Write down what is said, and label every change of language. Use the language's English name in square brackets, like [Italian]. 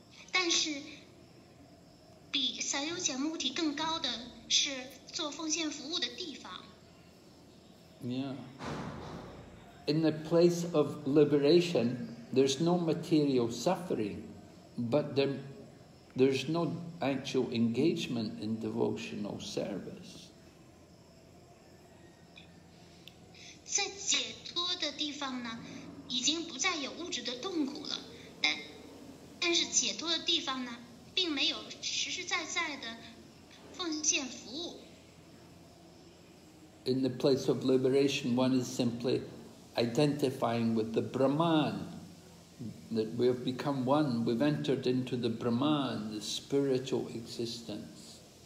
[Chinese] 但是比萨优杰目的更高的是做奉献服务的地方。Yeah. [English] In the place of liberation, there's no material suffering, but there's no actual engagement in devotional service. [Chinese] 在解脱的地方呢，已经不再有物质的痛苦了。 [English] In the place of liberation, one is simply identifying with the Brahman, that we have become one, we've entered into the Brahman, the spiritual existence.